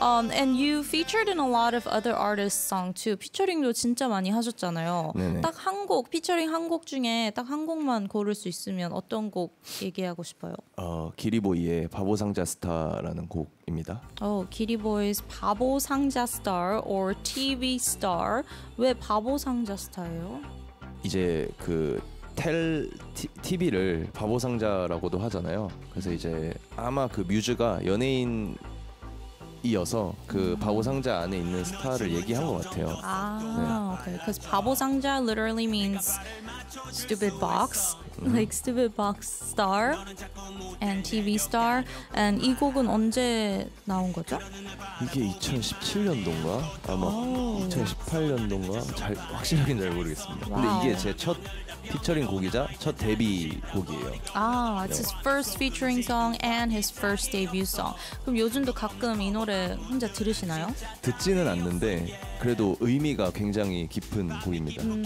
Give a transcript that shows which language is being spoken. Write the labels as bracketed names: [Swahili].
[English] And you featured in a lot of other artists' song too. [Korean] 피처링도 진짜 많이 하셨잖아요. 딱 한 곡 피처링 한 곡 중에 딱 한 곡만 고를 수 있으면 어떤 곡 얘기하고 싶어요? 기리보이의 바보 상자 스타라는 곡입니다. [English] Oh, 기리보이's 바보 상자 스타 or TV star. [Korean] 왜 바보 상자 스타예요? 이제 그 텔 TV를 바보 상자라고도 하잖아요. 그래서 이제 아마 그 뮤즈가 연예인이어서 그 바보 상자 안에 있는 스타를 얘기한 것 같아요. [English] 아, 네. okay. Because 바보 상자 literally means stupid box, like stupid box star and TV star. [Korean] And 이 곡은 언제 나온 거죠? 이게 2017년도인가? 아마 2018년도인가? 잘 확실하긴 잘 모르겠습니다. 근데 이게 제 첫 피처링 곡이자 첫 데뷔 곡이에요. [English] 아, it's his first featuring song and his first debut song. [Korean] 그럼 요즘도 가끔 이 노래 혼자 들으시나요? 듣지는 않는데 그래도 의미가 굉장히 깊은 곡입니다.